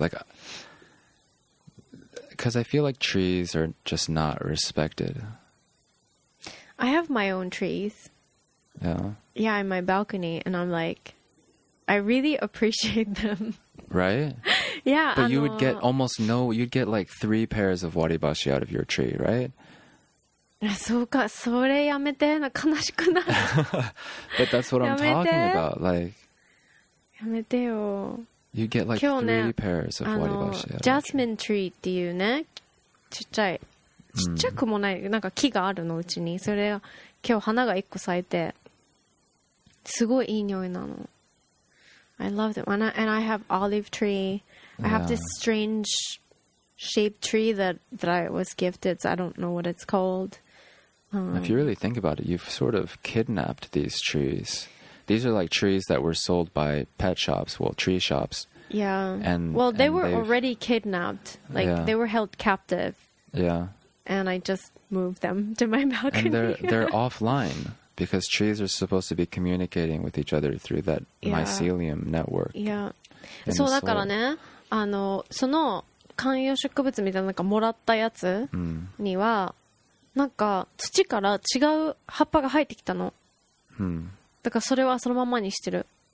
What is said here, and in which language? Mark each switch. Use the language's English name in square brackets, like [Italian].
[English] Like, because I feel like trees are just not respected. I have my own trees. Yeah. Yeah, in my balcony. And I'm like, I really appreciate them. Right? Yeah. But you would get almost no, you'd get like 3 pairs of waribashi out of your tree, right? [Japanese] そうか、それやめて、悲しくな [English] る。But that's what I'm talking about. Like, [Japanese] やめてよ。 [English] You get like 3 pairs of waribashi out of your [Japanese] tree. ジャスミンツリーっていうね、ちっちゃい。ちっちゃくもない、なんか木があるのうちに。それが、今日花が一個咲いて、すごいいい匂いなの。 [English] I love them. And I have olive tree. I have this strange shaped tree that I was gifted. So I don't know what it's called. If you really think about it, you've sort of kidnapped these trees. These are like trees that were sold by pet shops, well, tree shops. Yeah. And, well, they were already kidnapped. Like, they were held captive. Yeah. And I just moved them to my balcony. And they're offline. Because trees are supposed to be communicating with each other through that mycelium network. Yeah. [Japanese] そうだからね、あの、その観葉植物みたいななんかもらったやつには、なんか土から違う葉っぱが生えてきたの。だからそれはそのままにしてる。